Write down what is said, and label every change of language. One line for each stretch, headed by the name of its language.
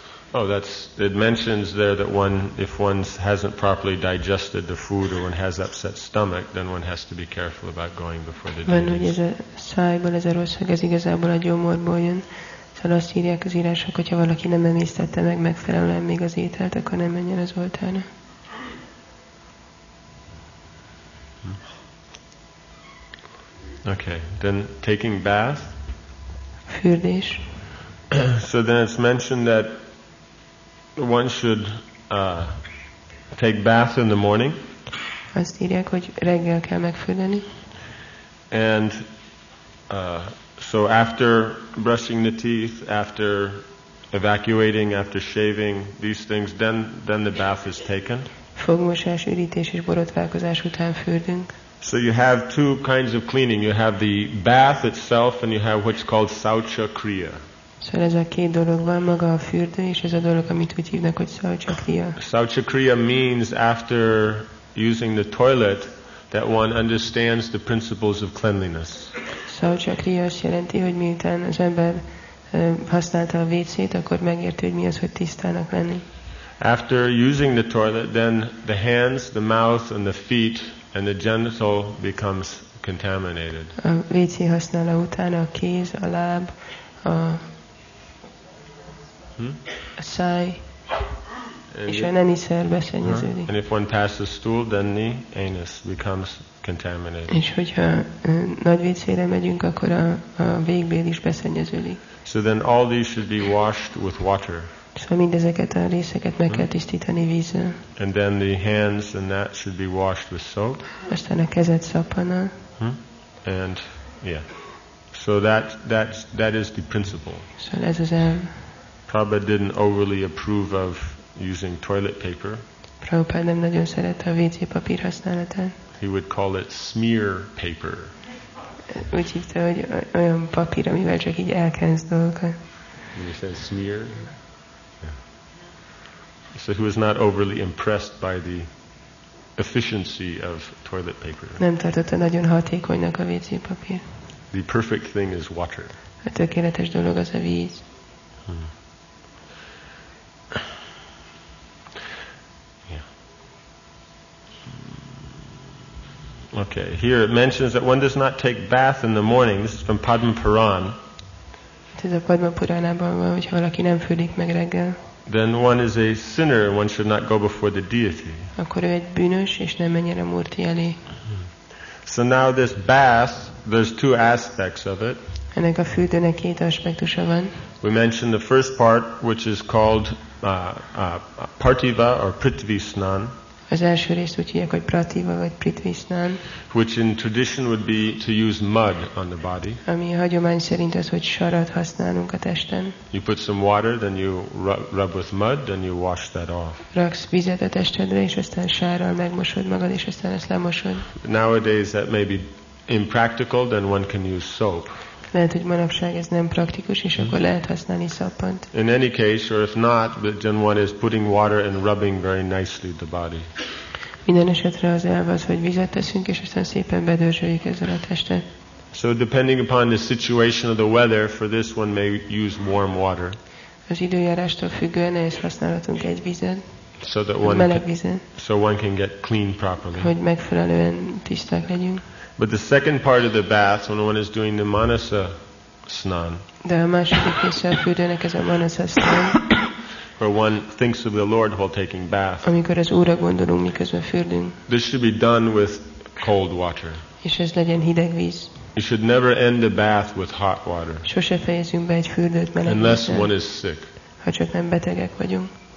English: Oh, that's it mentions there that one if one hasn't properly digested the food or one has upset stomach, then one has to be careful about going before the deities.
Hungarian: Van, ez a szájból, ez a rosszag, ez igazából a gyomorból jön. Szóval azt írják az írások, hogyha valaki nem emésztette meg megfelelően még az ételt, akkor nem menjen az oltára.
English: Okay, then taking bath.
Hungarian: Fürdés.
English: So then it's mentioned that one should take bath in the morning.
Hungarian: Azt írják, hogy reggel kell megfürdeni.
English: And so after brushing the teeth, after evacuating, after shaving, these things, then the bath is taken.
Hungarian: Fogmosás, ürítés és borotválkozás után fürdünk.
English: So you have two kinds of cleaning. You have the bath itself, and you have what's called saucha kriya.
Hungarian: Szóval ez a két dolog van, maga a fürdő, és ez a dolog, amit úgy hívnak, hogy saucha kriya.
English: Saucha kriya means after using the toilet that one understands the principles of cleanliness.
Hungarian: Saucha kriya azt jelenti, hogy miután az ember használta a WC-t, akkor megérti, hogy mi az, hogy tisztának lenni.
English: After using the toilet, then the hands, the mouth, and the feet, and the genital becomes contaminated.
Hungarian: A WC használa után a kéz, a láb, a száj, és a neni szer beszennyeződik.
English: And if one passes stool, then the anus becomes contaminated.
Hungarian: És hogyha nagy vécére megyünk, akkor a végbél is beszennyeződik.
English: So then all these should be washed with water.
Hungarian: Szóval mindezeket a részeket meg kell tisztítani vízzel.
English: And then the hands and that should be washed with soap.
Hungarian: Aztán a kezet szappannal.
English: And yeah. So that is the principle.
Hungarian: Szóval ez az elv.
English: Prabhupada didn't overly approve of using toilet paper.
Hungarian: Prabhupada nem nagyon szerette a WC papír használatát.
English: He would call it smear paper.
Hungarian: Úgy hívta, hogy olyan papír, amivel csak így elkenz dolgokat.
English: When he says smear? Yeah. So he was not overly impressed by the efficiency of toilet paper.
Hungarian: Nem tartotta nagyon hatékonynak a WC papír.
English: The perfect thing is water.
Hungarian: A tökéletes dolog az a víz.
English: Okay. Here it mentions that one does not take bath in the morning. This is from Padma Puran.
Hungarian: Ez a Padma Puranában van, hogyha valaki nem fürdik meg reggel.
English: Then one is a sinner and one should not go before the deity.
Hungarian: Akkor ő egy bűnös és nem menjen a Murti elé.
English: So now this bath, there's two aspects of it.
Hungarian: Ennek a fürdőnek két aspektusa van.
English: We mentioned the first part, which is called Partiva or Prithvi Snan.
Hungarian: Az első részt úgy hívják, hogy Prativa vagy Prithvi Snan.
English: Which in tradition would be to use mud on the body.
Hungarian: Ami hagyomány szerint az, hogy sarat használunk a testen.
English: You put some water, then you rub with mud, then you wash that off.
Hungarian: Raksz vizet a testedre, és aztán sárral megmosod magad, és aztán ezt lemosod.
English: Nowadays that may be impractical, then one can use soap.
Hungarian: Lehet, hogy manapság ez nem praktikus, és akkor lehet használni szappant.
English: In any case, or if not, then one is putting water and rubbing very nicely the body.
Hungarian: Minden esetre az elv az, hogy vizet teszünk, és aztán szépen bedörzsöljük ezzel a testet.
English: So depending upon the situation of the weather, for this one may use warm water.
Hungarian: Az időjárástól függően ezt használhatunk egy vizet.
English: So that one
Hungarian: meleg vizet.
English: So one can get clean properly.
Hungarian: Hogy megfelelően tiszták legyünk.
English: But the second part of the bath, when one is doing the manasa snan, where one thinks of the Lord while taking bath,
Hungarian: amikor az Úrra gondolunk, miközben fürdünk,
English: this should be done with cold water.
Hungarian: És ez legyen hideg víz.
English: You should never end the bath with hot water.
Hungarian: Sose fejezünk be egy fürdőt meleg vízzel,
English: unless one is sick.
Hungarian: Ha csak nem betegek vagyunk.